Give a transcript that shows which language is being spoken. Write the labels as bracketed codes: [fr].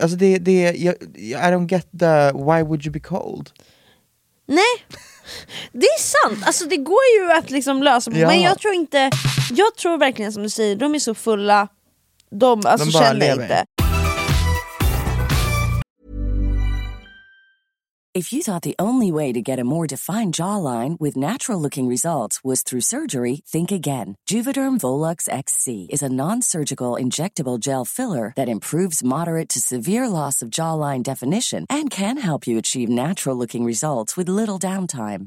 [sv] Alltså det är, [en] I don't get the why would you be cold? [sv] Nej. Det är sant. Alltså det går ju att liksom lösa. Ja. Men jag tror inte, jag tror verkligen som du säger, de är så fulla. De, alltså, de känner lever. Inte. [en] If you thought the only way to get a more defined jawline with natural-looking results was through surgery, think again. Juvederm Volux XC is a non-surgical injectable gel filler that improves moderate to severe loss of jawline definition and can help you achieve natural-looking results with little downtime.